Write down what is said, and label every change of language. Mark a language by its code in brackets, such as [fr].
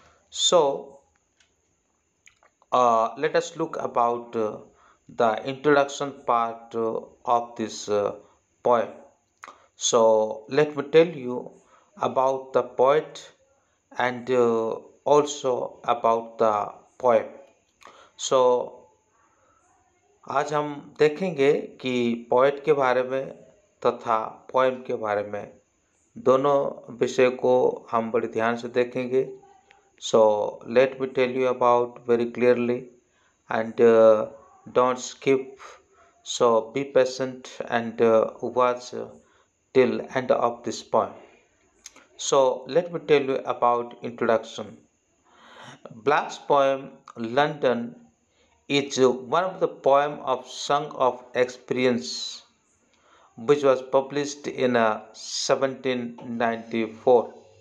[en] So let us look about the introduction part of this poem. So let me tell you about the poet and also about the poem. [hi] So आज हम देखेंगे कि poet के बारे में तथा poem के बारे में, दोनों विषय को हम बड़े ध्यान से देखेंगे. [en] So let me tell you about very clearly and don't skip. So be patient and watch till end of this poem. So let me tell you about introduction. Black's poem London is one of the poem of song of experience which was published in 1794.